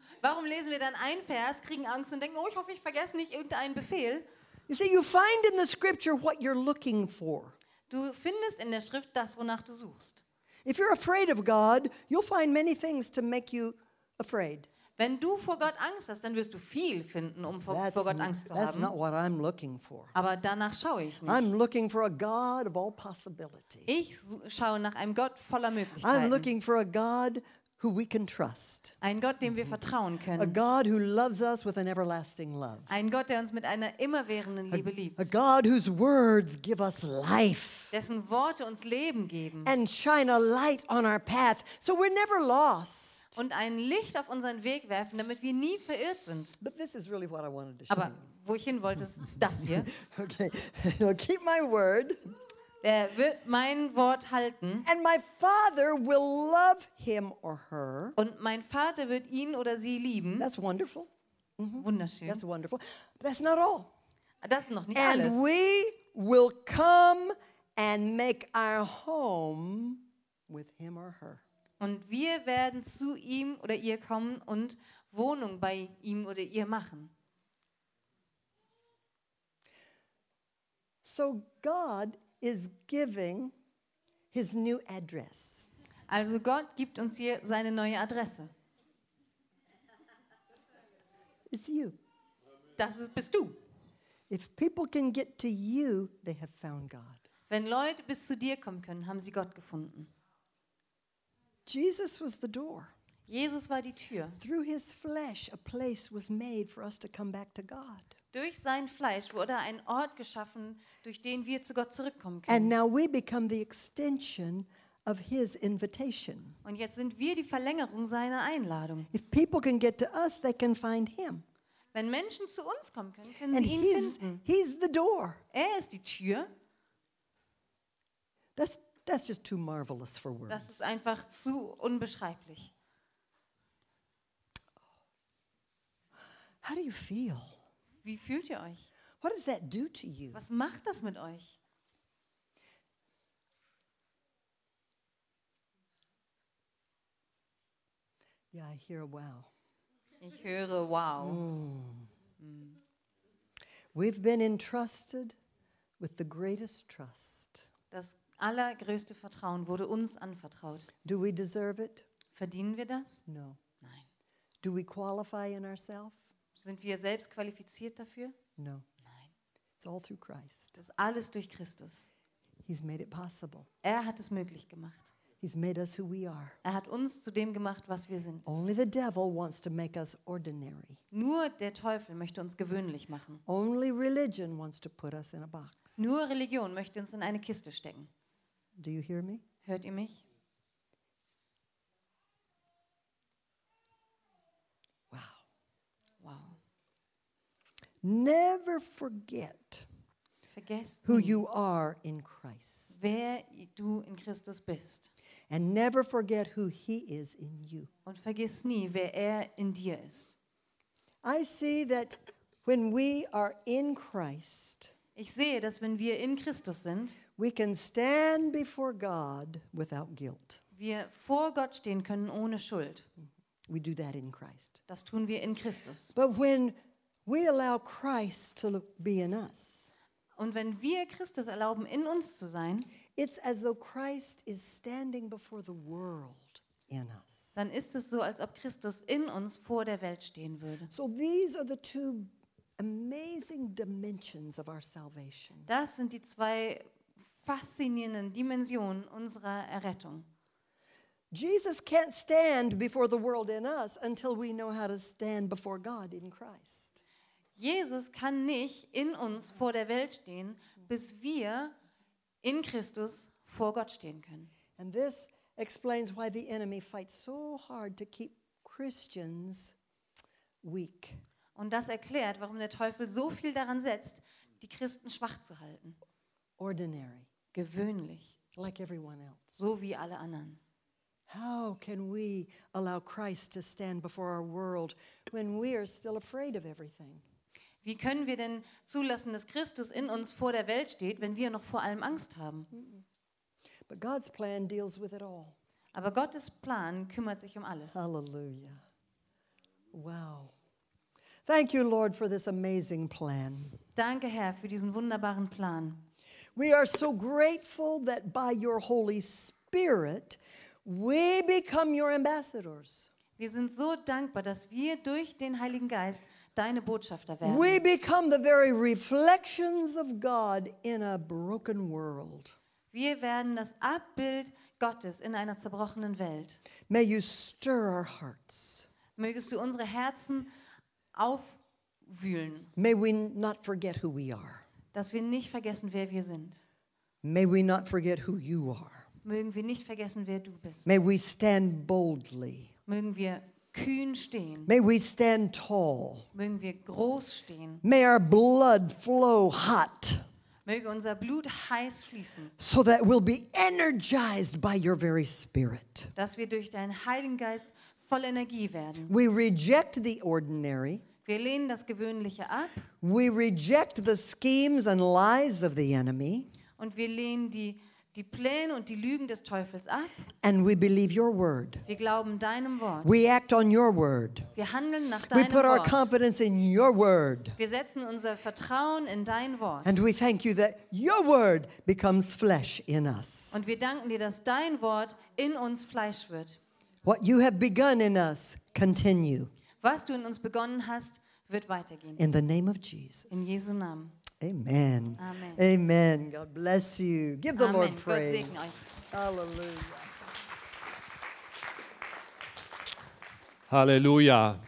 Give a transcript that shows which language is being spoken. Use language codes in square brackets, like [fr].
[de] Warum lesen wir dann einen Vers, kriegen Angst und denken, oh, ich hoffe, ich vergesse nicht irgendeinen Befehl? [en] You see, you find in the scripture what you're looking for. [de] Du findest in der Schrift das, wonach du suchst. [en] If you're afraid of God, you'll find many things to make you afraid. [de] Wenn du vor Gott Angst hast, dann wirst du viel finden, um vor Gott Angst zu haben. [en] That's not what I'm looking for. [de] Aber danach schaue ich nicht. [en] I'm looking for a God of all possibility. [de] Ich schaue nach einem Gott voller Möglichkeiten. [en] I'm looking for a God who we can trust. [de] Ein Gott, dem wir vertrauen können. [en] A God who loves us with an everlasting love. [de] Ein Gott, der uns mit einer immerwährenden Liebe liebt. [en] A God whose words give us life. [de] Dessen Worte uns Leben geben. [en] And shine a light on our path, so we're never lost. [de] Und ein Licht auf unseren Weg werfen, damit wir nie verirrt sind. [en] But this is really what I wanted to show. [de] Aber wo ich hin wollte, ist das hier. [en] Okay, so keep my word. [de] Er wird mein Wort halten. [en] And my father will love him or her. [de] Und mein Vater wird ihn oder sie lieben. [en] That's wonderful. [de] Mm-hmm. Wunderschön. [en] That's wonderful. That's not all. [de] Das ist noch nicht [en] and [de] alles. [en] And we will come and make our home with him or her. [de] Und wir werden zu ihm oder ihr kommen und Wohnung bei ihm oder ihr machen. [en] So God is giving his new address. [de] Also Gott gibt uns hier seine neue Adresse. [en] It's you. [de] Das ist, bist du. [en] If people can get to you, they have found God. [de] Wenn Leute bis zu dir kommen können, haben sie Gott gefunden. [en] Jesus was the door. [de] Jesus war die Tür. [en] Through his flesh a place was made for us to come back to God. [de] Durch sein Fleisch wurde ein Ort geschaffen, durch den wir zu Gott zurückkommen können. [en] And now we become the extension of his invitation. [de] Und jetzt sind wir die Verlängerung seiner Einladung. [en] If people can get to us, they can find him. [de] Wenn Menschen zu uns kommen können, können sie ihn finden. [en] And he's the door. [de] Er ist die Tür. [en] That's just too marvelous for words. [de] Das ist einfach zu unbeschreiblich. [en] How do you feel? [de] Wie fühlt ihr euch? [en] What does that do to you? [de] Was macht das mit euch? [en] Yeah, I hear a wow. [de] Ich höre, wow. [en] We've been entrusted with the greatest trust. [de] Das allergrößte Vertrauen wurde uns anvertraut. [en] Do we deserve it? [de] Verdienen wir das? [en] No. [de] Nein. [en] Do we qualify in ourselves? [de] Sind wir selbst qualifiziert dafür? [en] No. [de] Nein. [en] It's all through Christ. [de] Das ist alles durch Christus. [en] He's made it possible. [de] Er hat es möglich gemacht. [en] He's made us who we are. [de] Er hat uns zu dem gemacht, was wir sind. [en] Only the devil wants to make us ordinary. [de] Nur der Teufel möchte uns gewöhnlich machen. [en] Only religion wants to put us in a box. [de] Nur Religion möchte uns in eine Kiste stecken. [en] Do you hear me? [de] Hört ihr mich? [en] Wow. [de] Wow. [en] Never forget who you are in Christ. [de] Wer du in Christus bist. [en] And never forget who he is in you. [de] Und vergiss nie, wer in dir ist. [en] I see that when we are in Christ, [de] ich sehe, dass wenn wir in Christus sind, [en] we can stand before God without guilt. [de] Wir vor Gott stehen können ohne Schuld. [en] We do that in Christ. [de] Das tun wir in Christus. [en] But when we allow Christ to be in us, [de] und wenn wir Christus erlauben, in uns zu sein, [en] it's as though Christ is standing before the world in us. [de] Dann ist es so, als ob Christus in uns vor der Welt stehen würde. [en] So these are the two amazing dimensions of our salvation. [de] Das sind die zwei faszinierenden Dimensionen unserer Errettung. [en] Jesus can't stand before the world in us until we know how to stand before God in Christ. [de] Jesus kann nicht in uns vor der Welt stehen, bis wir in Christus vor Gott stehen können. [en] And this explains why the enemy fights so hard to keep Christians weak. [de] Und das erklärt, warum der Teufel so viel daran setzt, die Christen schwach zu halten. [en] Ordinary. [de] Gewöhnlich. [en] Like everyone else. [de] So wie alle anderen. [en] How can we allow Christ to stand before our world when we are still afraid of everything? [de] Wie können wir denn zulassen, dass Christus in uns vor der Welt steht, wenn wir noch vor allem Angst haben? [en] But God's plan deals with it all. [de] Aber Gottes Plan kümmert sich um alles. [en] Halleluja. Wow. Thank you, Lord, for this amazing plan. [de] Danke, Herr, für diesen wunderbaren Plan. [en] We are so grateful that by your Holy Spirit we become your ambassadors. [de] Wir sind so dankbar, dass wir durch den Heiligen Geist deine Botschafter werden. [en] We become the very reflections of God in a broken world. [de] Wir werden das Abbild Gottes in einer zerbrochenen Welt. [en] May you stir our hearts. [de] Mögest du unsere Herzen aufwühlen. [en] May we not forget who we are. [de] Dass wir nicht vergessen, wer wir sind. [en] May we not forget who you are. [de] Mögen wir nicht vergessen, wer du bist. [en] May we stand boldly. [de] Mögen wir kühn stehen. [en] May we stand tall. [de] Mögen wir groß stehen. [en] May our blood flow hot. [de] Möge unser Blut heiß fließen. [en] So that we'll be energized by your very spirit. [de] Dass wir durch deinen Heiligen Geist voll Energie werden. [en] We reject the ordinary. [de] Wir lehnen das Gewöhnliche ab. [en] We reject the schemes and lies of the enemy. [de] Und wir lehnen die Pläne und die Lügen des Teufels ab. [en] And we believe your word. [de] Wir glauben deinem Wort. [en] We act on your word. [de] Wir handeln nach deinem Wort. [en] We put our confidence in your word. [de] Wir setzen unser Vertrauen in dein Wort. [en] And we thank you that your word becomes flesh in us. [de] Und wir danken dir, dass dein Wort in uns Fleisch wird. [en] What you have begun in us, continue. [de] Was du in uns begonnen hast, wird weitergehen. [en] In the name of Jesus. [de] In Jesu Namen. [en] Amen. [de] Amen. [en] Amen. God bless you. Give the [de] Amen. [en] Lord praise. [de] Gott segne euch. Halleluja.